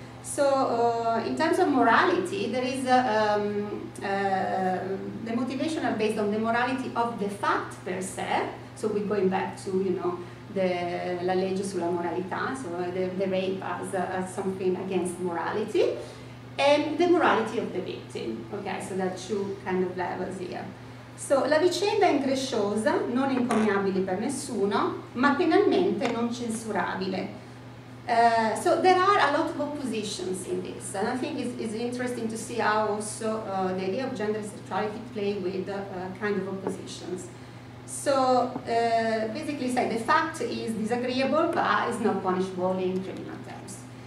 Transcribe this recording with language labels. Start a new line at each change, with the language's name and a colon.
English: So in terms of morality, there is the motivation are based on the morality of the fact per se. So we're going back to, you know, the
Italian: la legge sulla moralità,
English: so the rape as something against morality, and the morality of the victim. Okay, so there are two kind of levels here.
Italian: So la vicenda è incresciosa, non encomiabile per nessuno, ma penalmente non censurabile.
English: So there are a lot of oppositions in this, and I think it's interesting to see how also the idea of gender sexuality play with kind of oppositions. So basically, say the fact is disagreeable, but is not punishable in criminal terms.